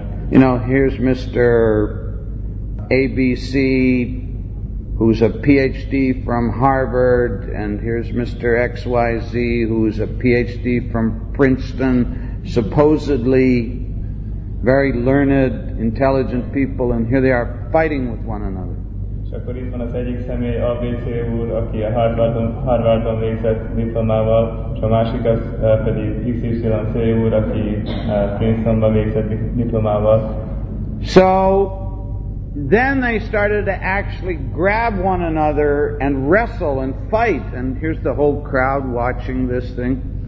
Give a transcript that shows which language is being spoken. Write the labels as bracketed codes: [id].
[en] You know, here's Mr. ABC, who's a PhD from Harvard, and here's Mr. XYZ, who's a PhD from Princeton, supposedly very learned, intelligent people, and here they are fighting with one another. [hu] És akkor itt van az egyik személy, ABC úr, aki a Harvardon végzett diplomával, és a másik az pedig XYZ úr, aki Princetonban végzett diplomával. [en] So then they started to actually grab one another and wrestle and fight. And here's the whole crowd watching this thing.